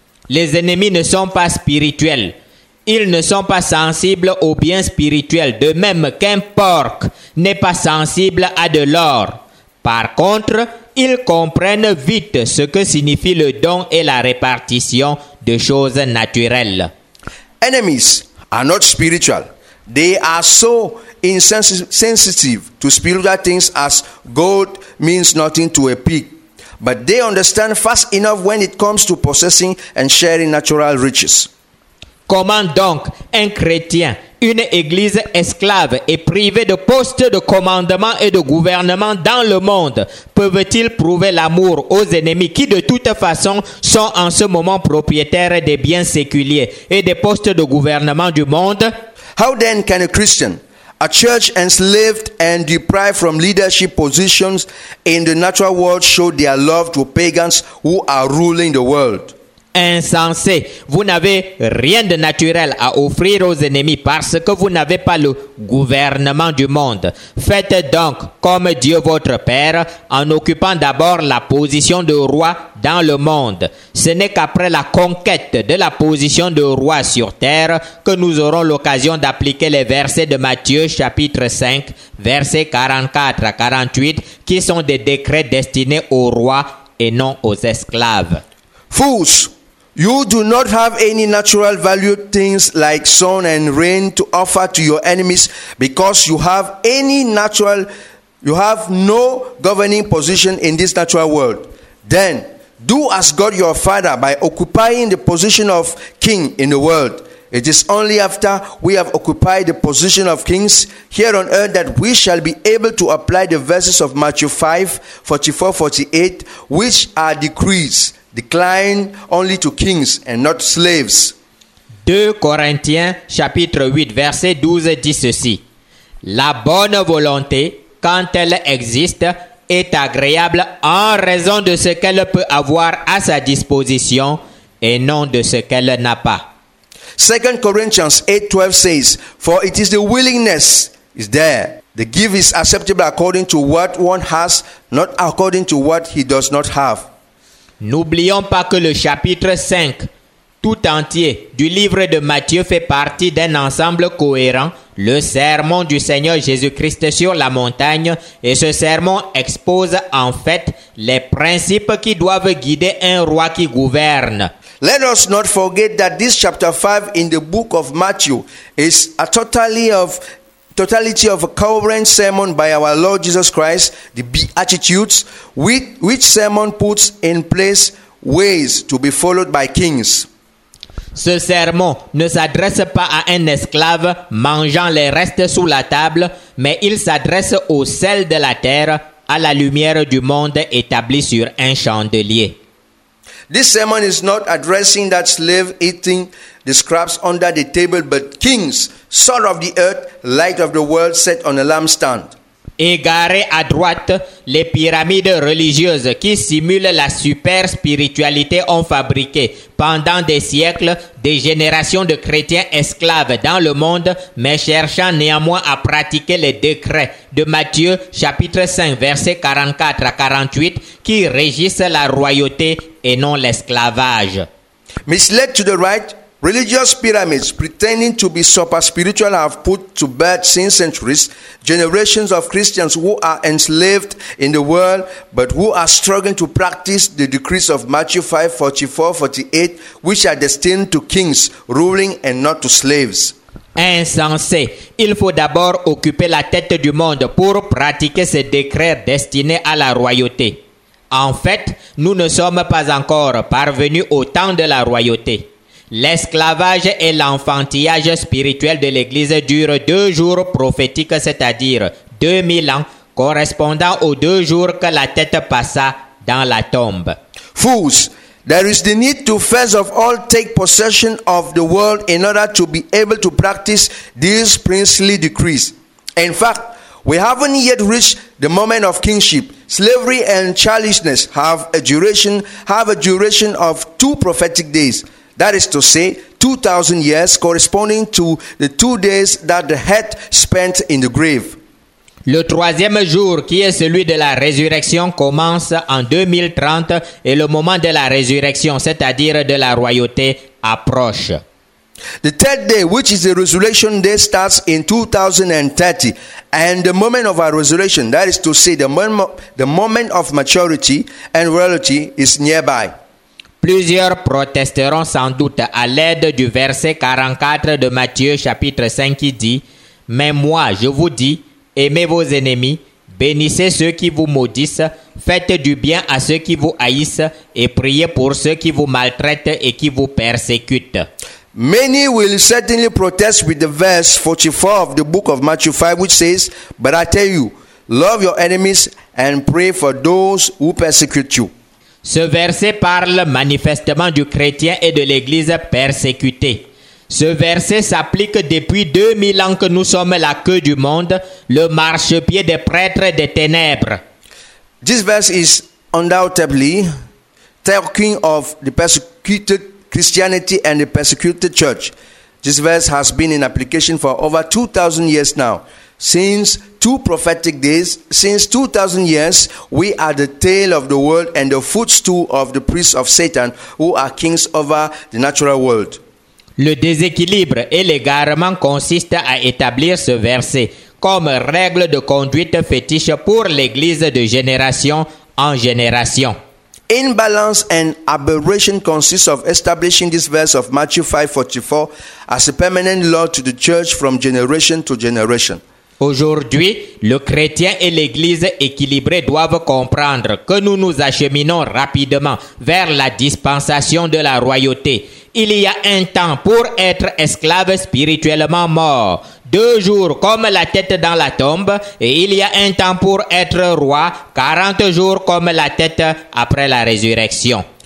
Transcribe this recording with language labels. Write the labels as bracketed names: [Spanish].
[French] Les ennemis ne sont pas spirituels. Ils ne sont pas sensibles au bien spirituel, de même qu'un porc n'est pas sensible à de l'or. Par contre, ils comprennent vite ce que signifie le don et la répartition de choses naturelles. [English] Enemies are not spiritual. They are so insensitive to spiritual things as gold means nothing to a pig. But they understand fast enough when it comes to possessing and sharing natural riches. [French] Comment donc un chrétien, une église esclave et privée de postes de commandement et de gouvernement dans le monde peuvent-ils prouver l'amour aux ennemis qui de toute façon sont en ce moment propriétaires des biens séculiers et des postes de gouvernement du monde? [English] How then can a Christian, a church enslaved and deprived from leadership positions in the natural world, show their love to pagans who are ruling the world? [French] Insensé, vous n'avez rien de naturel à offrir aux ennemis parce que vous n'avez pas le gouvernement du monde. Faites donc comme Dieu votre Père en occupant d'abord la position de roi dans le monde. Ce n'est qu'après la conquête de la position de roi sur terre que nous aurons l'occasion d'appliquer les versets de Matthieu chapitre 5, versets 44 à 48 qui sont des décrets destinés aux rois et non aux esclaves. Fous! [English] You do not have any natural value things like sun and rain to offer to your enemies because you have no governing position in this natural world. Then, do as God your Father by occupying the position of king in the world. It is only after we have occupied the position of kings here on earth that we shall be able to apply the verses of Matthew 5, 44, 48, which are decrees. Decline only to kings and not slaves. [French] 2 Corinthiens chapitre 8 verset 12 dit ceci. La bonne volonté, quand elle existe, est agréable en raison de ce qu'elle peut avoir à sa disposition et non de ce qu'elle n'a pas. [English] 2 Corinthians 8:12 says, for it is the willingness is there. The give is acceptable according to what one has, not according to what he does not have. [French] N'oublions pas que le chapitre 5 tout entier du livre de Matthieu fait partie d'un ensemble cohérent, le sermon du Seigneur Jésus-Christ sur la montagne, et ce sermon expose en fait les principes qui doivent guider un roi qui gouverne. [English] Let us not forget that this chapter 5 in the book of Matthew is a totality of a coherent sermon by our Lord Jesus Christ, the Beatitudes, which sermon puts in place ways to be followed by kings. [French] Ce sermon ne s'adresse pas à un esclave mangeant les restes sous la table, mais il s'adresse au sel de la terre, à la lumière du monde établie sur un chandelier. [English] This sermon is not addressing that slave eating the scraps under the table, but kings, salt of the earth, light of the world, set on a lampstand. [French] Égarés à droite, les pyramides religieuses qui simulent la super spiritualité ont fabriqué pendant des siècles des générations de chrétiens esclaves dans le monde, mais cherchant néanmoins à pratiquer les décrets de Matthieu chapitre 5 versets 44 à 48 qui régissent la royauté et non l'esclavage. [English] Misled to the right, religious pyramids pretending to be super spiritual have put to bed since centuries generations of Christians who are enslaved in the world but who are struggling to practice the decrees of Matthew 5, 44, 48 which are destined to kings ruling and not to slaves. [French] Insensé, il faut d'abord occuper la tête du monde pour pratiquer ces décrets destinés à la royauté. En fait, nous ne sommes pas encore parvenus au temps de la royauté. L'esclavage et l'enfantillage spirituel de l'Église durent deux jours prophétiques, c'est-à-dire 2000 ans, correspondant aux deux jours que la tête passa dans la tombe. [English] Fools, There is the need to first of all take possession of the world in order to be able to practice these princely decrees. In fact, we haven't yet reached the moment of kingship. Slavery and childishness have a duration of 2 prophetic days. That is to say, 2,000 years corresponding to the 2 days that the head spent in the grave. [French] Le troisième jour, qui est celui de la résurrection, commence en 2030 et le moment de la résurrection, c'est-à-dire de la royauté, approche. [English] The third day, which is the resurrection day, starts in 2030. And the moment of our resurrection, that is to say the moment of maturity and reality, is nearby. [French] Plusieurs protesteront sans doute à l'aide du verset 44 de Matthieu chapitre 5 qui dit « Mais moi, je vous dis, aimez vos ennemis, bénissez ceux qui vous maudissent, faites du bien à ceux qui vous haïssent et priez pour ceux qui vous maltraitent et qui vous persécutent. » [English] Many will certainly protest with the verse 44 of the book of Matthew 5 which says, But I tell you, love your enemies and pray for those who persecute you. [French] Ce verset parle manifestement du chrétien et de l'église persécutée. Ce verset s'applique depuis 2000 ans que nous sommes la queue du monde, le marchepied des prêtres des ténèbres. [English] This verse is undoubtedly talking of the persecuted Christianity and the persecuted church. This verse has been in application for over 2,000 years now. Since 2 prophetic days, since 2,000 years, we are the tail of the world and the footstool of the priests of Satan who are kings over the natural world. [French] Le déséquilibre et l'égarement consistent à établir ce verset comme règle de conduite fétiche pour l'Église de génération en génération. [English] Imbalance and aberration consists of establishing this verse of Matthew 5:44 as a permanent law to the church from generation to generation. [French] Aujourd'hui, le chrétien et l'Église équilibrée doivent comprendre que nous nous acheminons rapidement vers la dispensation de la royauté. Il y a un temps pour être esclave spirituellement mort, 2 jours comme la tête dans la tombe, et il y a un temps pour être roi, 40 jours comme la tête après la résurrection.